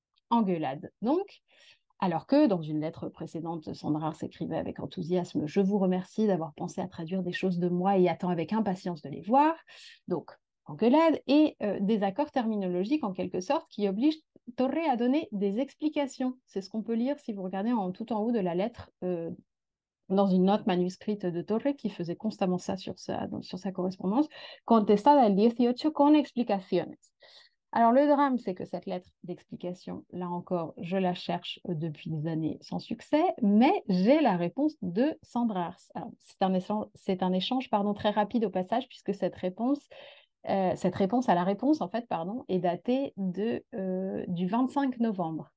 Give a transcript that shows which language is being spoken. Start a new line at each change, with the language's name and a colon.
French: Engueulade, donc. Alors que, dans une lettre précédente, Sandrard s'écrivait avec enthousiasme: Je vous remercie d'avoir pensé à traduire des choses de moi et attends avec impatience de les voir. Donc, engueulade et désaccord terminologique en quelque sorte qui oblige Torre à donner des explications. C'est ce qu'on peut lire si vous regardez tout en haut de la lettre dans une note manuscrite de Torre qui faisait constamment ça sur sa correspondance.
Spanish: Contestada el 18 con explicaciones.
French: Alors le drame, c'est que cette lettre d'explication, là encore, je la cherche depuis des années sans succès, mais j'ai la réponse de Sandrars. Alors, c'est un échange, pardon, très rapide au passage, puisque cette réponse à la réponse, en fait, pardon, est datée du 25 novembre.